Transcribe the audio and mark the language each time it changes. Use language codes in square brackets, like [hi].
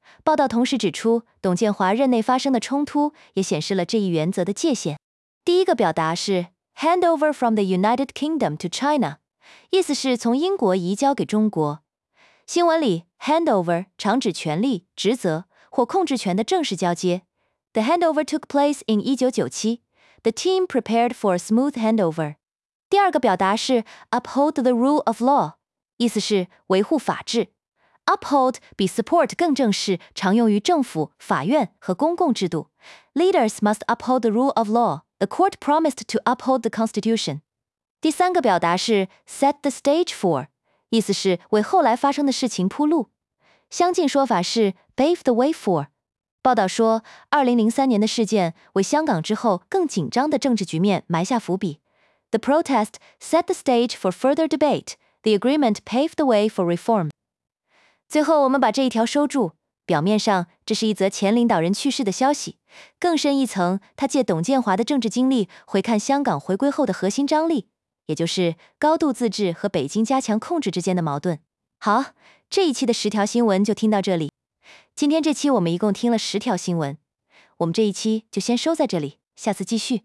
[zh] 报道同时指出，董建华任内发生的冲突也显示了这一原则的界限。第一个表达是 [en] Handover from the United Kingdom to China， [zh] 意思是从英国移交给中国。新闻里 Handover 常指权力、职责或控制权的正式交接。 [en] The handover took place in 1997，The team prepared for a smooth handover. [zh] 第二个表达是 [en] uphold the rule of law， [zh] 意思是维护法治。 Uphold 比 support 更正式，常用于政府、法院和公共制度。 [en] Leaders must uphold the rule of law. The court promised to uphold the constitution. [zh] 第三个表达是 [en] set the stage for， [zh] 意思是为后来发生的事情铺路。相近说法是 [en] pave the way for。 [zh] 报道说2003年的事件为香港之后更紧张的政治局面埋下伏笔。 [en] The protest set the stage for further debate. The agreement paved the way for reform. [zh] 最后我们把这一条收住，表面上这是一则前领导人去世的消息，更深一层，他借董建华的政治经历回看香港回归后的核心张力，也就是高度自治和北京加强控制之间的矛盾。好，这一期的十条新闻就听到这里。今天这期我们一共听了十条新闻，我们这一期就先收在这里，下次继续。